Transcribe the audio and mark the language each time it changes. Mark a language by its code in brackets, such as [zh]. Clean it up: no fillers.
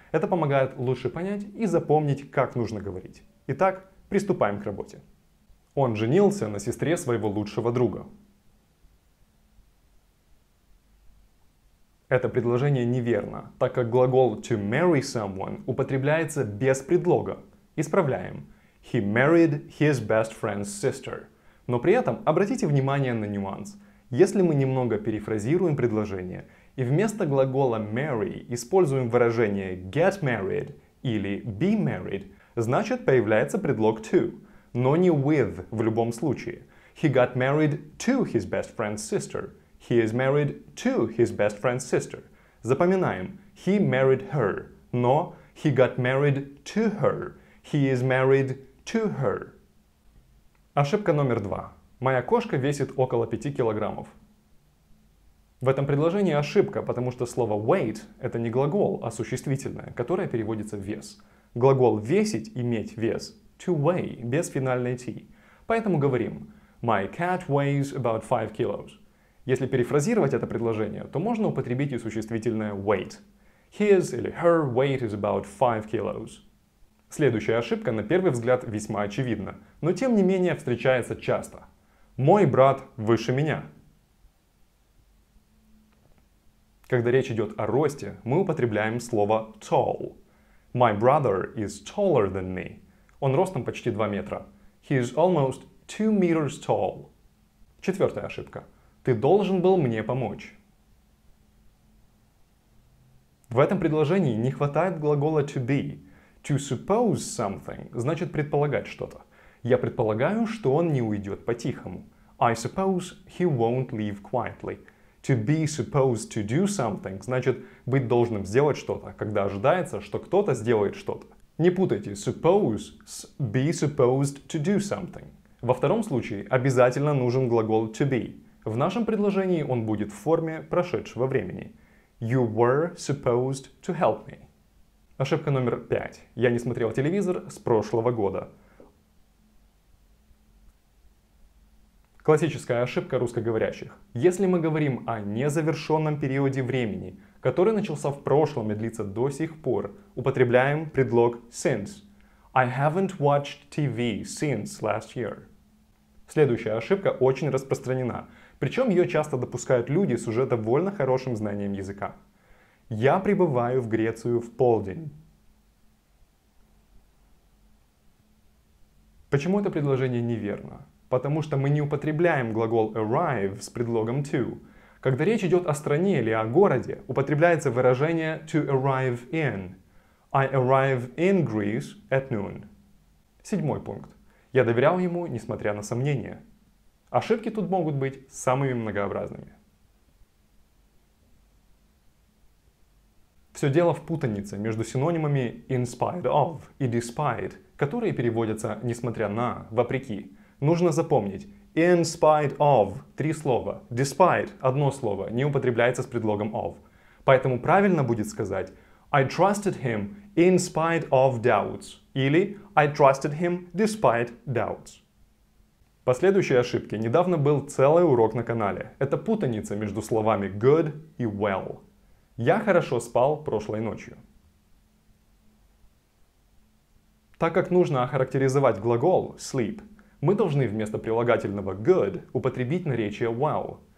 [ru] Это помогает лучше понять и запомнить, как нужно говорить. Итак, приступаем к работе. Он женился на сестре своего лучшего друга. Это предложение неверно, так как глагол [en] to marry someone [ru] употребляется без предлога. Исправляем. [en] He married his best friend's sister. [ru] Но при этом обратите внимание на нюанс. Если мы немного перефразируем предложение и вместо глагола marry используем выражение [en] get married [ru] или [en] be married, [ru] значит появляется предлог to, но не with в любом случае. [en] He got married to his best friend's sister. He is married to his best friend's sister. [ru] Запоминаем. [en] He married her, [ru] но [en] he got married to her. He is married to her. [ru] Ошибка номер два. Моя кошка весит около 5 килограммов. В этом предложении ошибка, потому что слово weight – это не глагол, а существительное, которое переводится в вес. Глагол «весить» – «иметь вес» – «to weigh» – без финальной «t». Поэтому говорим [en] «My cat weighs about 5 kilos». [ru] Если перефразировать это предложение, то можно употребить и существительное «weight». [en] His [ru] или [en] her weight is about 5 kilos. [ru] Следующая ошибка, на первый взгляд, весьма очевидна, но тем не менее встречается часто. Мой брат выше меня. Когда речь идет о росте, мы употребляем слово tall. [en] My brother is taller than me. [ru] Он ростом почти 2 метра. [en] He is almost 2 meters tall. [ru] Четвертая ошибка. Ты должен был мне помочь. В этом предложении не хватает глагола to be. [en] To suppose something [ru] значит предполагать что-то. Я предполагаю, что он не уйдет по-тихому. [en] I suppose he won't leave quietly. To be supposed to do something [ru] значит быть должным сделать что-то, когда ожидается, что кто-то сделает что-то. Не путайте suppose с [en] be supposed to do something. [ru] Во втором случае обязательно нужен глагол to be. В нашем предложении он будет в форме прошедшего времени. [en] You were supposed to help me. [ru] Ошибка номер 5. Я не смотрел телевизор с прошлого года. Классическая ошибка русскоговорящих. Если мы говорим о незавершенном периоде времени, который начался в прошлом и длится до сих пор, употребляем предлог since. [en] I haven't watched TV since last year. [ru] Следующая ошибка очень распространена, причем ее часто допускают люди с уже довольно хорошим знанием языка. Я прибываю в Грецию в полдень. Почему это предложение неверно? Потому что мы не употребляем глагол arrive с предлогом to. Когда речь идет о стране или о городе, употребляется выражение [en] to arrive in. I arrive in Greece at noon. [ru] Седьмой пункт. Я доверял ему, несмотря на сомнения. Ошибки тут могут быть самыми многообразными. Все дело в путанице между синонимами [en] in spite of [ru] и despite, которые переводятся несмотря на, вопреки. Нужно запомнить, [en] in spite of [ru] – три слова, despite – одно слово, не употребляется с предлогом of. Поэтому правильно будет сказать [en] I trusted him in spite of doubts [ru] или [en] I trusted him despite doubts. [ru] По следующей ошибке недавно был целый урок на канале. Это путаница между словами good и well. Я хорошо спал прошлой ночью. Так как нужно охарактеризовать глагол sleep, мы должны вместо прилагательного good употребить наречие well.